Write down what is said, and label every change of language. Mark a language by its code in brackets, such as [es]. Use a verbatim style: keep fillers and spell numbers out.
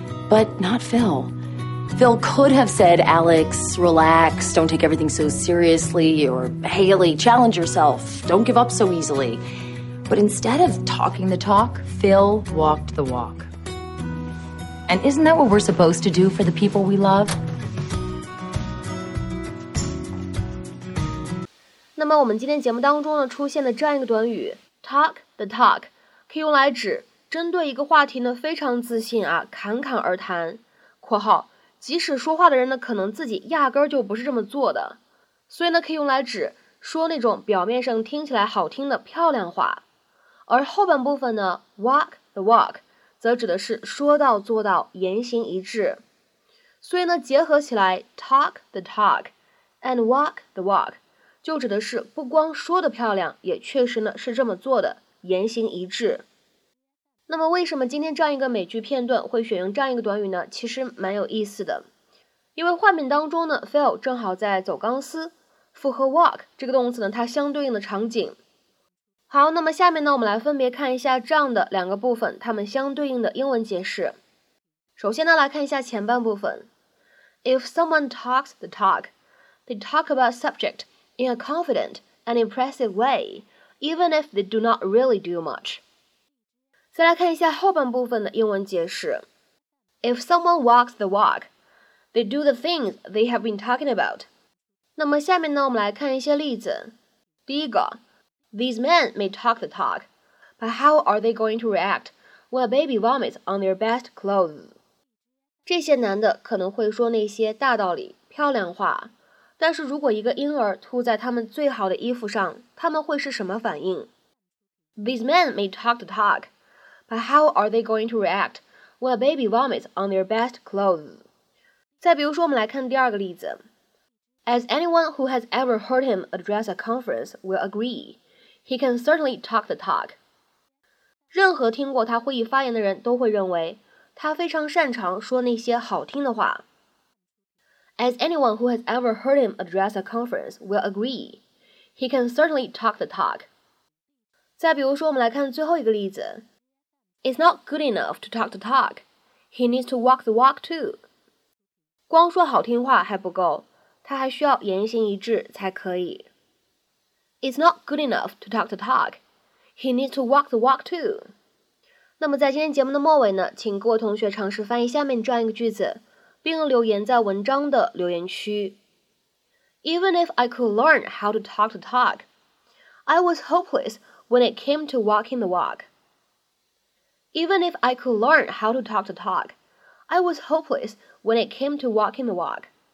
[en] But not Phil. Phil could have said, Alex, relax, don't take everything so seriously, or Haley, challenge yourself, don't give up so easily. But instead of talking the talk, Phil walked the walk. And isn't that what we're supposed to do for the people we love? [zh] 那么我们今天节目当中呢，出现的这样一个短语 [en] talk the talk [zh] 可以用来指针对一个话题呢非常自信啊，侃侃而谈（括号即使说话的人呢可能自己压根儿就不是这么做的），所以呢可以用来指说那种表面上听起来好听的漂亮话。而后半部分呢 [en] walk the walk [zh] 则指的是说到做到，言行一致。所以呢，结合起来 [en] talk the talk and walk the walk [zh] 就指的是不光说得漂亮，也确实呢是这么做的，言行一致。那么为什么今天这样一个美剧片段会选用这样一个短语呢？其实蛮有意思的，因为画面当中呢 Phil 正好在走钢丝，符合 walk 这个动词呢它相对应的场景。好，那么下面呢，我们来分别看一下这样的两个部分，它们相对应的英文解释。首先呢，来看一下前半部分。 [en] If someone talks the talk, they talk about subject in a confident and impressive way, even if they do not really do much. [zh] 再来看一下后半部分的英文解释。 [en] If someone walks the walk, they do the things they have been talking about. [zh] 那么下面呢，我们来看一些例子。第一个。 [en] These men may talk the talk, but how are they going to react when a baby vomits on their best clothes? [zh] 这些男的可能会说那些大道理、漂亮话，但是如果一个婴儿吐在他们最好的衣服上，他们会是什么反应？ [en] These men may talk the talk, but how are they going to react when a baby vomits on their best clothes? [zh] 再比如说，我们来看第二个例子。 [en] As anyone who has ever heard him address a conference will agree. He can certainly talk the talk. [zh] 任何听过他会议发言的人都会认为他非常擅长说那些好听的话。 [en] As anyone who has ever heard him address a conference will agree, he can certainly talk the talk. [zh] 再比如说，我们来看最后一个例子。 [en] It's not good enough to talk the talk. He needs to walk the walk too. [zh] 光说好听话还不够，他还需要言行一致才可以。 [en] It's not good enough to talk the talk. He needs to walk the walk too. [zh] 那么在今天节目的末尾呢，请各位同学尝试翻译下面这样一个句子，并留言在文章的留言区。 [en] Even if I could learn how to talk the talk, I was hopeless when it came to walking the walk. Even if I could learn how to talk the talk, I was hopeless when it came to walking the walk.